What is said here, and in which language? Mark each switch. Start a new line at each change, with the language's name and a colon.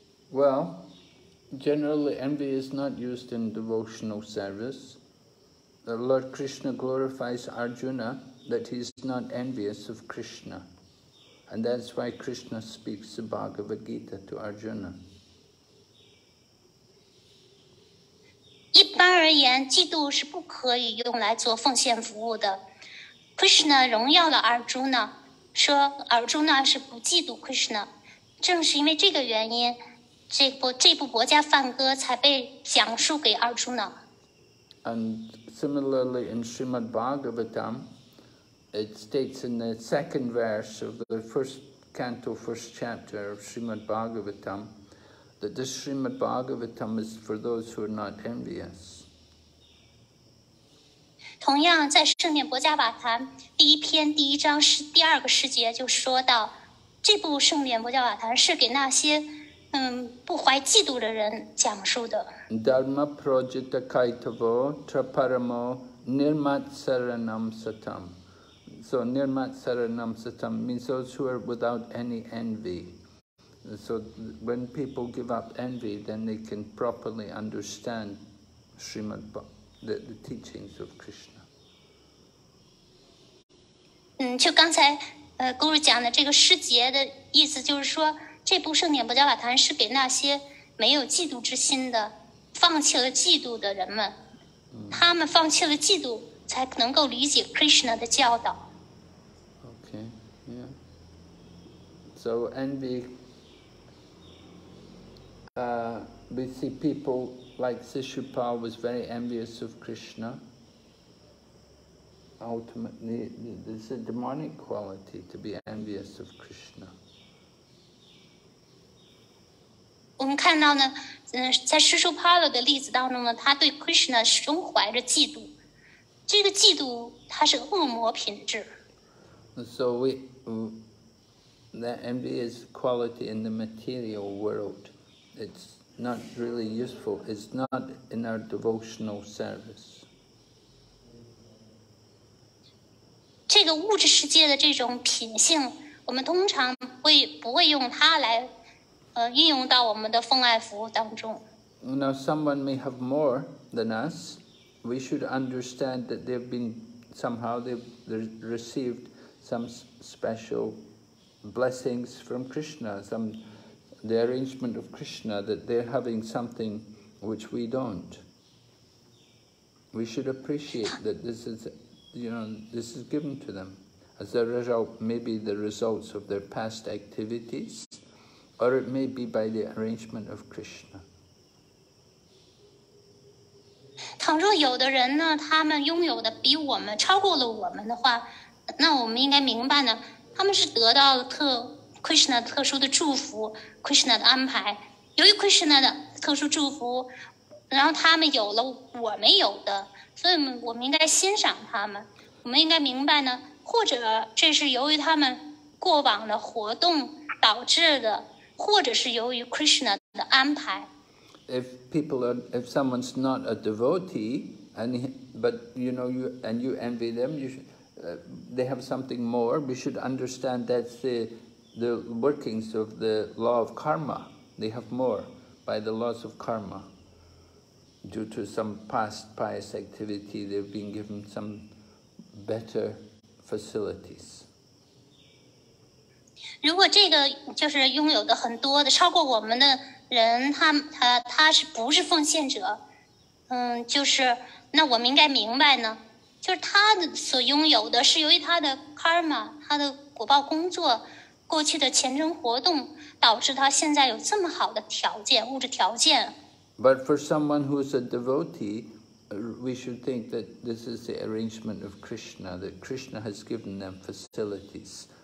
English: Well, generally envy is not used in devotional service. Lord Krishna glorifies Arjuna that he is not envious of Krishna. And that's why Krishna speaks the Bhagavad Gita to Arjuna.
Chinese: 一般而言，嫉妒是不可以用来做奉献服务的。 Krishna 荣耀了 Arjuna， 说 Arjuna 是不嫉妒 Krishna。正是因为这个原因，这部《薄伽梵歌》才被讲述给 Arjuna。
English: Similarly, in Srimad Bhagavatam, it states in the second verse of the first canto, first chapter of Srimad Bhagavatam, that this Srimad Bhagavatam is for those who are not envious.
Chinese: 同样，在《圣典薄伽瓦坛》第一篇第一章是第二个世节就说到，这部《圣典薄伽瓦坛》是给那些不怀嫉妒的人讲述的。
Sanskrit: Dharma projita kaitavo traparamo nirmatsaranam satam.
English: So nirmatsaranam satam means those who are without any envy. So when people give up envy, then they can properly understand Srimad Bhagavatam, the teachings of Krishna.
Chinese: 就刚才Guru 讲的这个师节的意思，就是说这部圣典薄伽瓦坛是给那些没有嫉妒之心的。放弃了嫉妒的人们，他们放弃了嫉妒，才能够理解 Krishna 的教导。
English: Okay, yeah. So envy, we see people like Sishupal was very envious of Krishna. Ultimately, there's a demonic quality to be envious of Krishna.
Chinese: 我们看到呢。在施舒帕勒的例子当中呢，他对 Krishna 始终怀着嫉妒，这个嫉妒它是恶魔品质。
English: So that envy is quality in the material world. It's not really useful. It's not in our devotional service.
Chinese: 这个物质世界的这种品性，我们通常不会用它来。应用到我们的奉爱服务当中。
English: Now someone may have more than us, we should understand that they've been somehow they've received some special blessings from Krishna, some the arrangement of Krishna that they're having something which we don't. We should appreciate that this is, you know, this is given to them as a result, maybe the results of their past activities. Or it may be by the arrangement of Krishna.
Chinese: 倘若有的人呢，他们拥有的比我们超过了我们的话，那我们应该明白呢，他们是得到了Krishna 特殊的祝福，Krishna 的安排。由于 Krishna 的特殊祝福，然后他们有了我没有的，所以我们应该欣赏他们。我们应该明白呢，或者这是由于他们过往的活动导致的，或者是由于 Krishna 的安排。
English: If someone's not a devotee, but you envy them, you should, they have something more. We should understand that's the workings of the law of karma. They have more by the laws of karma. Due to some past pious activity, they've been given some better facilities.
Chinese: 如果这个就是拥有的很多的超过我们的人，他是不是奉献者？就是那我们应该明白呢，就是他所拥有的是由于他的 karma， 他的果报工作，过去的前程活动导致他现在有这么好的条件，物质条件。
English: But for someone who's a devotee, we should think that this is the arrangement of Krishna, that Krishna has given them facilities.